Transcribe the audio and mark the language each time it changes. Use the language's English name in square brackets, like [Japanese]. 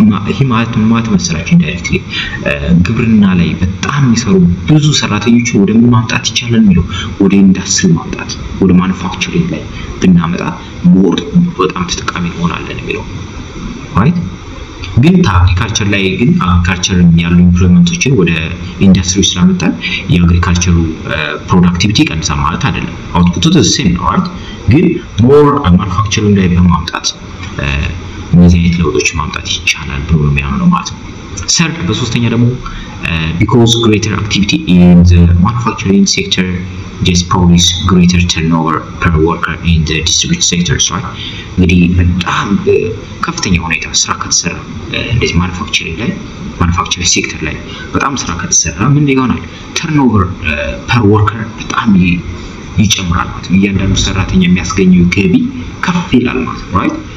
[Amharic] ይሄ ማለት ምን ማለት መሰላችሁ ኢንዳይሬክትሊ ግብርና ላይ በጣም የሚሰሩ ብዙ ሰራተኞች ወደ ምን ማምጣት ይቻላል የሚለው ወደ ኢንዱስትሪ ማምጣት ወደ ማኑፋክቸሪንግ ላይ ብናመጣ ሞር በጣም ተጠቃሚ እንሆናለን የሚለው ራይት። ግን አግሪካልቸር ላይ ግን አግሪካልቸር ያሉ ኢምፕሎይመንቶችን ወደ ኢንዱስትሪ ስላመጣን የአግሪካልቸሩ ፕሮዳክቲቪቲ ይቀንሳል ማለት አይደለም። አውትፑቱ ዘ ሴም ነው ራይት። ግን ሞር ማኑፋክቸሪንግ ላይ በማምጣት እነዚህ አይነት ለውጦች ማምጣት ይቻላል ብሎ የሚያምነው ማለት ነው። ሰርድ በሶስተኛ ደግሞ [English] because greater activity in the manufacturing sector just produce greater turnover per worker in the distributed sectors, right? [Amharic] እንግዲህ በጣም ከፍተኛ ሁኔታ ስራ ከተሰራ እንደዚህ ማኑፋክቸሪንግ ሴክተር ላይ በጣም ስራ ከተሰራ ምን ይሆናል? ተርኖቨር ፐር ወርከር በጣም ይጨምራል ማለት ነው። እያንዳንዱ ሰራተኛ የሚያስገኘው ገቢ ከፍ ይላል ማለት ነው። ራይት?